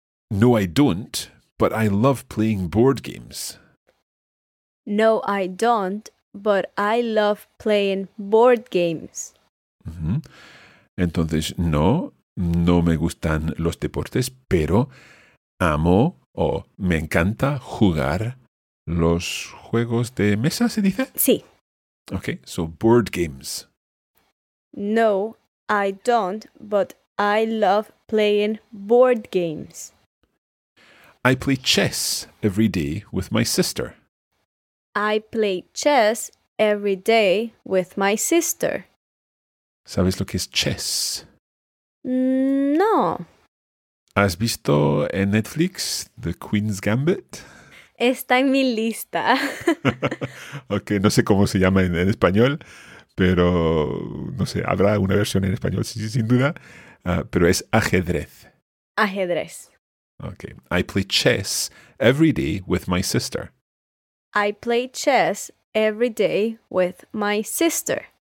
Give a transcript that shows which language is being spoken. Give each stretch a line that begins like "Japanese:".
English: No, I don't, but I love playing board games. No, I don't, but I love playing board games. Mm-hmm.
Spanish: Entonces, no, no me gustan los deportes, pero amo o me encanta jugar los juegos de mesa, ¿se dice? Sí.
English: Okay, so board games. No, I don't, but I love playing board games. I play chess every day with my sister. I play chess every day with my sister.
Spanish: ¿Sabes lo que es chess? No. ¿Has visto en Netflix The Queen's Gambit? Está en mi lista. Okay, no sé cómo se llama en español, pero no sé, habrá una versión en español, sin duda, pero es ajedrez. Ajedrez. Okay.
English: I play chess every day with my sister. I play chess every day with my sister.